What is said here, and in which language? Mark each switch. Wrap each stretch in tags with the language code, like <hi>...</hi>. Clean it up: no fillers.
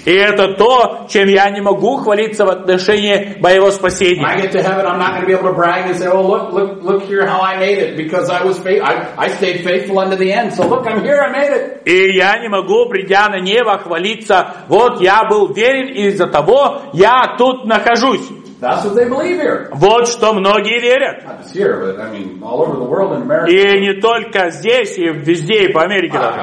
<ru>И это то, чем я не могу хвалиться в отношении моего спасения.</ru> <en>When I get to heaven, I'm not going to be able to brag and say, "Oh, look here how I made it because I stayed faithful unto the end. So look, I'm here."</en> <ru>И я не могу, придя на небо, хвалиться, вот я был верен, и из-за того я тут нахожусь.</ru> <en>That's what they believe here.</en> <ru>Вот что многие верят. И не только здесь, и везде, и по Америке.</ru>